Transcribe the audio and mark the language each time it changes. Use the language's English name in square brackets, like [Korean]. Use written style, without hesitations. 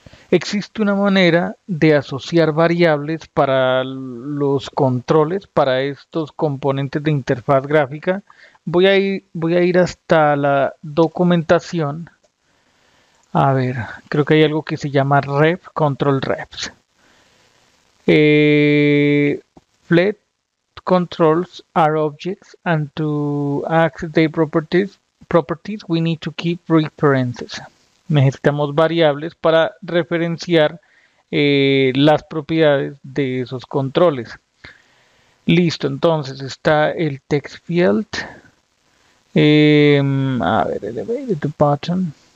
[Spanish] Existe una manera de asociar variables para los controles, para estos componentes de interfaz gráfica. Voy a ir hasta la documentación. A ver, creo que hay algo que se llama ref, control refs. [English] Flat controls are objects and to access their properties we need to keep references. [Spanish] Necesitamos variables para referenciar las propiedades de esos controles. Listo, entonces está el text field. A ver, [English] elevated the button.